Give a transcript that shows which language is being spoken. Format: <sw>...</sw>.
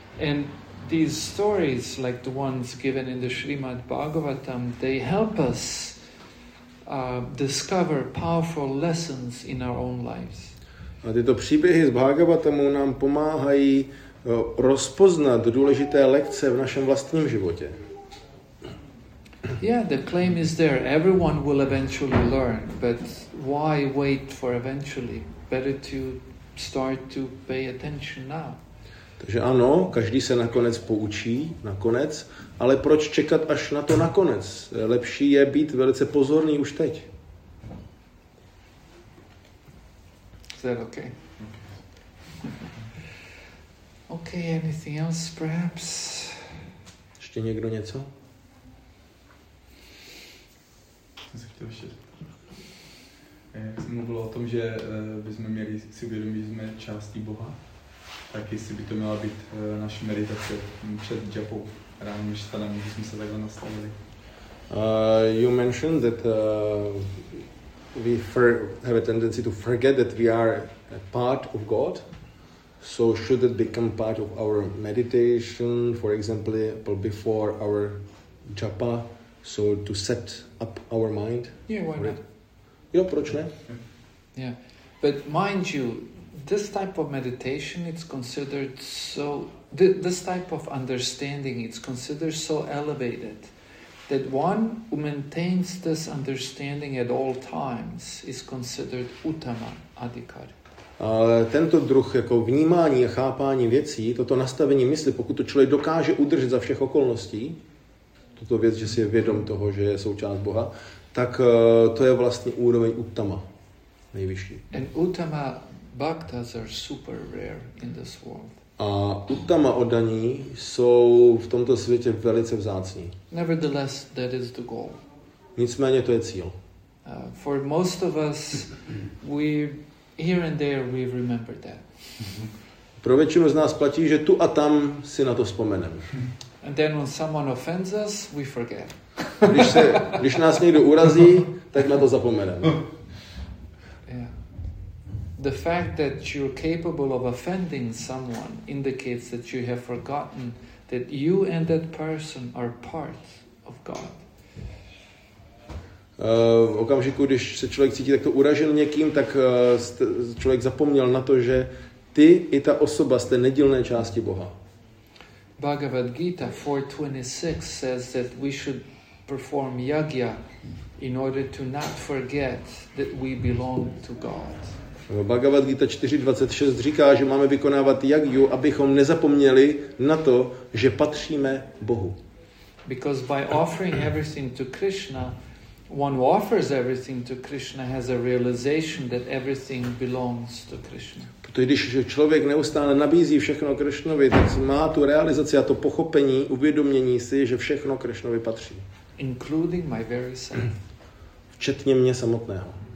<en>And these stories, like the ones given in the Srimad Bhagavatam, they help us discover powerful lessons in our own lives.</en> <cs>A tyto příběhy z Bhagavatamu nám pomáhají rozpoznat důležité lekce v našem vlastním životě.</cs> <en>Yeah, the claim is there. Everyone will eventually learn, but why wait for eventually? Better to start to pay attention now.</en> <cs>Takže ano, každý se nakonec poučí, nakonec, ale proč čekat až na to nakonec? Lepší je být velice pozorný už teď.</cs> <en>Is that okay? Okay, anything else perhaps?</en> <cs>Ještě někdo něco? Jak jsem mluvil o tom, že bychom měli si uvědomit, že jsme částí Boha, tak jestli by to měla být naše meditace před japou ráno, než stane, když jsme se takhle nastavili.</cs> <en>You mentioned that we have a tendency to forget that we are a part of God. So should it become part of our meditation, for example, before our japa, so to set up our mind? Yeah, why not?</en> <cs>Jo, proč ne?</cs> <en>Yeah, but mind you, this type of meditation, it's considered so, this type of understanding, it's considered so elevated that one who maintains this understanding at all times is considered uttama adhikari.</en> <cs>Tento druh jako vnímání a chápání věcí, toto nastavení mysli, pokud to člověk dokáže udržet za všech okolností, tuto věc, že si je vědom toho, že je součást Boha, tak to je vlastně úroveň uttama, nejvyšší.</cs> <en>And uttama bhaktas are super rare in this world.</en> <cs>A uttama oddaní jsou v tomto světě velice vzácní.</cs> <en>Nevertheless, that is the goal.</en> <cs>Nicméně to je cíl.</cs> <en>For most of us, we here and there we remember that.</en> <cs>Pro většinu z nás platí, že tu a tam si na to vzpomeneme.</cs> <en>And then when someone offends us, we forget.</en> <cs>Když nás někdo urazí, tak na to zapomeneme.</cs> <en>The fact that you're capable of offending someone indicates that you have forgotten that you and that person are part of God.</en> <cs>V okamžiku, když se člověk cítí takto uražen někým, tak člověk zapomněl na to, že ty i ta osoba jste nedílné části Boha.</cs> <en>Bhagavad Gita 4:26 says that we should perform yajna in order to not forget that we belong to God.</en> <cs>Bhagavad Gita 4:26 říká, že máme vykonávat yajnu, abychom nezapomněli na to, že patříme Bohu.</cs> <en>Because by offering everything to Krishna, one who offers everything to Krishna has a realization that everything belongs to Krishna.</en> <cs>Protože když člověk neustále nabízí všechno Krishnovi, tak má tu realizaci a to pochopení, uvědomění si, že všechno Krishnovi patří.</cs> <en>Including my very self.</en> <cs>Včetně mě samotného.</cs>